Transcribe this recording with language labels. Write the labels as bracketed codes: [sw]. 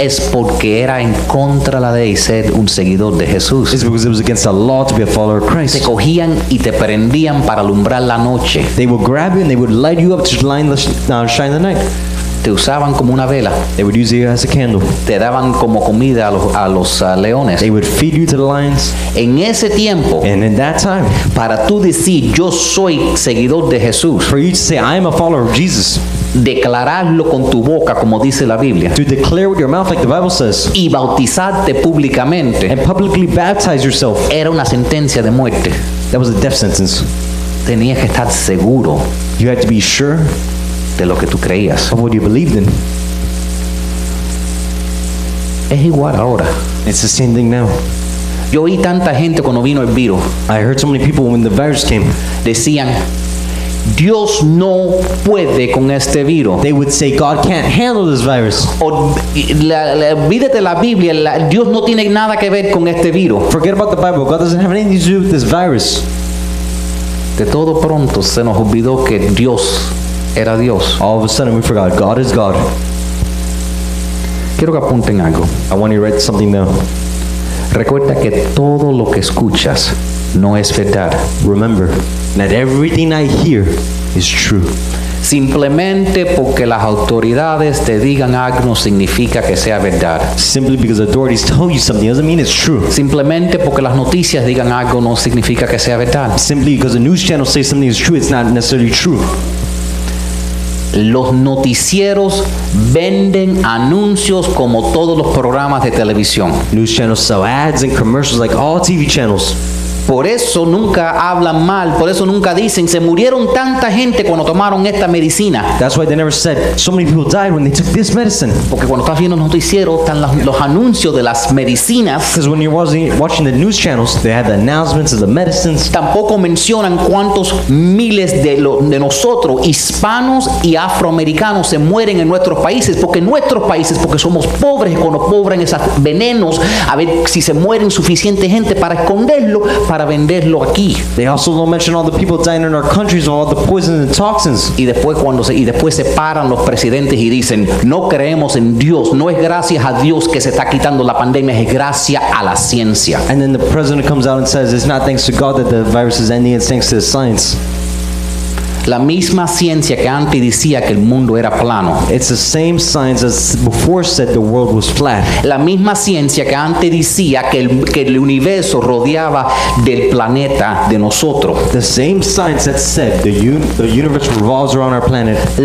[es] Es porque era en contra la ley ser un seguidor de Jesús. [en] It's because it was against the law to be a follower of Christ. [es] Te cogían y te prendían para alumbrar la noche. [en] They would grab you and they would light you up to shine the night. [es] Te usaban como una vela. [en] They would use you as a candle. [es] Te daban como comida a los leones. [en] They would feed you to the lions. [es] En ese tiempo, [en] and in that time, [es] para tú decir yo soy seguidor de Jesús, [en] for you to say I am a follower of Jesus, [es] declararlo con tu boca como dice la Biblia, [en] to declare with your mouth like the Bible says, [es] y bautizarte públicamente, [en] and publicly baptize yourself, [es] era una sentencia de muerte. [en] That was a death sentence. [es] Tenías que estar seguro. [en] You had to be sure [es] de lo que tú creías. [en] Of what you believed in. [es] Es igual ahora. [en] It's the same thing now. [es] Yo oí tanta gente cuando vino el virus. [en] I heard so many people when the virus came. [es] Decían, Dios no puede con este virus. [en] They would say, God can't handle this virus. [es] O, olvídate la Biblia. Dios no tiene nada que ver con este virus. [en] Forget about the Bible. God doesn't have anything to do with this virus. [es] De todo pronto se nos olvidó que Dios era Dios. [en] All of a sudden we forgot God is God. [es] Quiero que apunten algo. [en] I want you to write something down. [es] Recuerda que todo lo que escuchas no es verdad. [en] Remember that everything I hear is true. [es] Simplemente porque las autoridades te digan algo no significa que sea verdad. [en] Simply because authorities tell you something doesn't mean it's true. [es] Simplemente porque las noticias digan algo no significa que sea verdad. [en] Simply because a news channel says something is true, it's not necessarily true. [es] Los noticieros venden anuncios como todos los programas de televisión. [en] News channels sell ads and commercials like all TV channels. [es] Por eso nunca hablan mal, por eso nunca dicen se murieron tanta gente cuando tomaron esta medicina. [en] That's why they never said so many people died when they took this medicine. [es] Porque cuando estás viendo los noticieros están los anuncios de las medicinas. [en] Because when you're watching the news channels, they had the announcements of the medicines. [es] Tampoco mencionan cuántos miles de nosotros, hispanos y afroamericanos, se mueren en nuestros países, porque nuestros países, porque somos pobres y cuando pobran esos venenos, a ver si se mueren suficiente gente para esconderlo. Para venderlo aquí. [en] They also don't mention all the people dying in our countries, all the poisons and toxins. [es] Y después se paran los presidentes y dicen, no creemos en Dios. No es gracias a Dios que se está quitando la pandemia, es gracias a la ciencia. [en] And then the president comes out and says, it's not thanks to God that the virus is ending, it's thanks to the science. [es] La misma ciencia que antes decía que el mundo era plano. [en] It's the same science as before said the world was flat. [es] La misma ciencia que antes decía que el universo rodeaba del planeta de nosotros. [en] The same science that said the universe revolves around our planet.